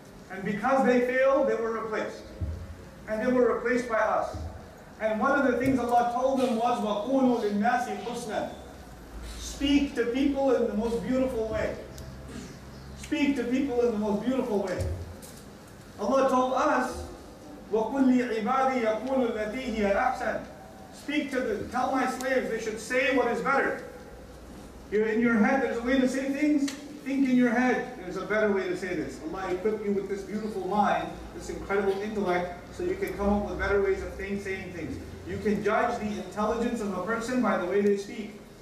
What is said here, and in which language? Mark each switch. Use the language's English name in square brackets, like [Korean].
[English] And because they failed, they were replaced. And they were replaced by us. And one of the things Allah told them was, [Arabic] وَقُولُوا لِلنَّاسِ حُسْنًا. [English] Speak to people in the most beautiful way. Speak to people in the most beautiful way. Allah told us, [Arabic] وَقُلْ لِعِبَادِي يَقُولُ الَّتِي هِيَ الْأَحْسَنِ. [English] Speak to them, tell my slaves they should say what is better. You're in your head, there's a way to say things. Think in your head, there's a better way to say this. Allah equip you with this beautiful mind, this incredible intellect, so you can come up with better ways of saying things. You can judge the intelligence of a person by the way they speak.